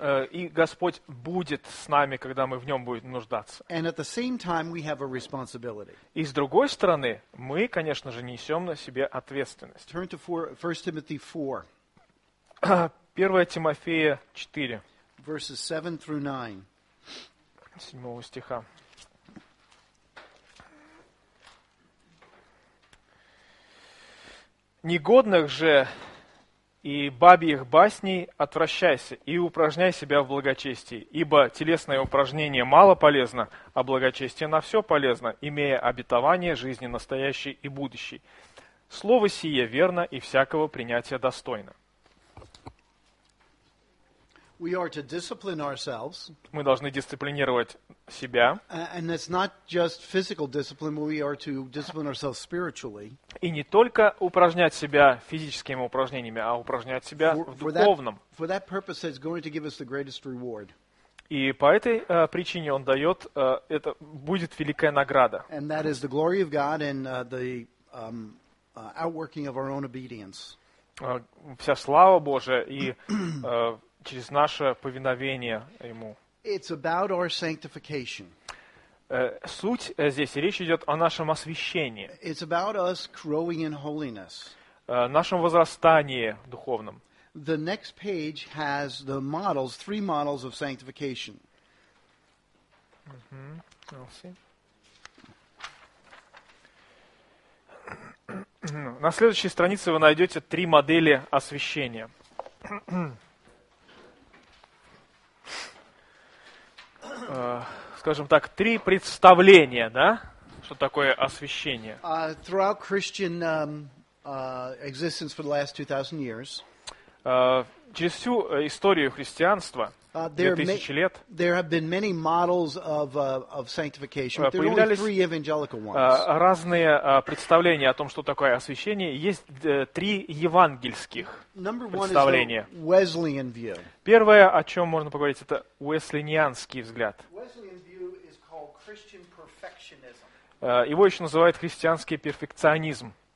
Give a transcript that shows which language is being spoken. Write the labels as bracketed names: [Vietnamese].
[Russian] И Господь будет с нами, когда мы в Нем будем нуждаться. [English] And at the same time we have a responsibility. [Russian] И с другой стороны, мы, конечно же, несем на себе ответственность. [English] Turn to 1 Timothy 4. [Russian] 1 Тимофея 4. [English] Verses 7 through 9. [Russian] 7 стиха. Негодных же и бабьих басней отвращайся и упражняй себя в благочестии, ибо телесное упражнение мало полезно, а благочестие на все полезно, имея обетование жизни настоящей и будущей. Слово сие верно и всякого принятия достойно. [English] We are to discipline ourselves. [Russian] Мы должны дисциплинировать себя. [English] And it's not just physical discipline, but we are to discipline ourselves spiritually. [Russian] И не только упражнять себя физическими упражнениями, а упражнять себя в духовном. [English] For that purpose, it's going to give us the greatest reward. [Russian] И по этой причине он дает это будет великая награда. [English] And that is the glory of God and the outworking of our own obedience. [Russian] Вся слава Божия и через наше повиновение Ему. [English] It's about our sanctification. [Russian] Суть здесь, речь идет о нашем освящении. [English] It's about us growing in holiness. [Russian] Нашем возрастании духовном. [English] The next page has the models, three models of sanctification. Mm-hmm. I'll see. [Russian] На следующей странице вы найдете три модели освящения. Скажем так, три представления, да, что такое освящение. [English] Throughout Christian existence for the last 2000 years. [Russian] Через всю историю христианства, 2000 лет, [English] there have been many models of sanctification, but there are only three evangelical ones. [Russian] Разные представления о том, что такое освящение, есть три евангельских представления. [English] Number one is the Wesleyan view. [Russian] Первое, о чем можно поговорить, это уэслинианский взгляд. [English] Wesleyan view is called Christian perfectionism. [Russian] Его еще называют христианский перфекционизм.